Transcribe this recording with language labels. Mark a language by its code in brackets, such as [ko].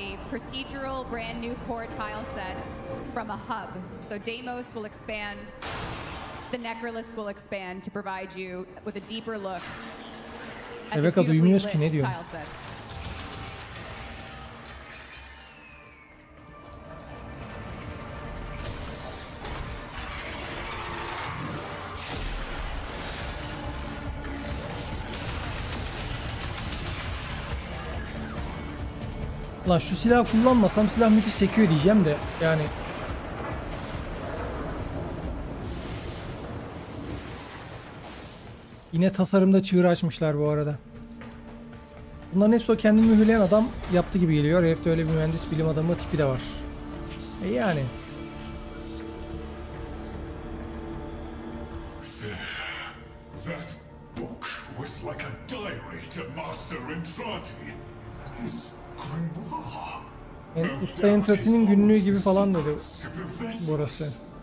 [en] Procedural brand new core tile set from a hub. So Deimos will expand, the Necrolisk will expand to provide you with a deeper look. [tr] Rebecca, duymuyoruz ki ne diyor? Tile set. Lan şu silahı kullanmasam silah müthiş sekiyor diyeceğim de yani. Yine tasarımda çığır açmışlar bu arada. Bunların hepsi o kendini mühürleyen adam yaptı gibi geliyor. Herifte öyle bir mühendis bilim adamı tipi de var. Yani. [en] That book was like a diary to Master Entrati. His grimoire. [tr] Yani Usta Entrati'nin günlüğü gibi falan dedi burası.